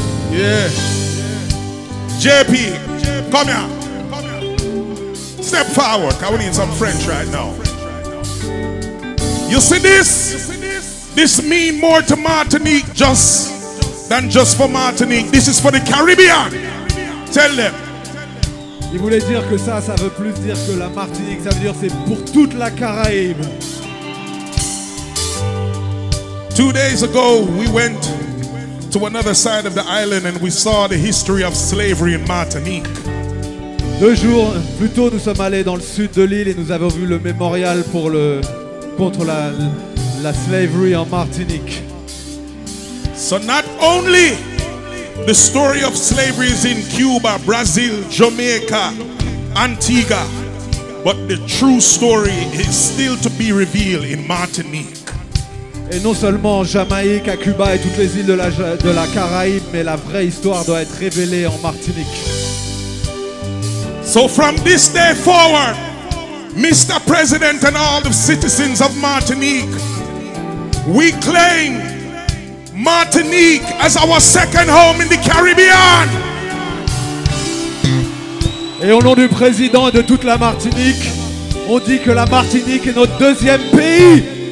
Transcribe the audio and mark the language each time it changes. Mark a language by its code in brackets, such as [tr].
[en] Yeah. JP, come here. Step forward, cause we need some French right now. You see this? This mean more to Martinique just than just for Martinique. This is for the Caribbean. Tell them. [fr] Il voulait dire que ça, ça veut plus dire que la Martinique. Ça veut dire c'est pour toute la Caraïbe. [en] 2 days ago, we went to another side of the island and we saw the history of slavery in Martinique. [fr] Deux jours plus tôt, nous sommes allés dans le sud de l'île et nous avons vu le mémorial pour le contre la slavery en Martinique. [en] So not only the story of slavery is in Cuba, Brazil, Jamaica, Antigua, but the true story is still to be revealed in Martinique. [fr] Et non seulement en Jamaïque, à Cuba et toutes les îles de la Caraïbe, mais la vraie histoire doit être révélée en Martinique. [en] So from this day forward, Mr. President and all the citizens of Martinique, we claim Martinique as our second home in the Caribbean. [fr] Et au nom du président et de toute la Martinique, on dit que la Martinique est notre deuxième pays.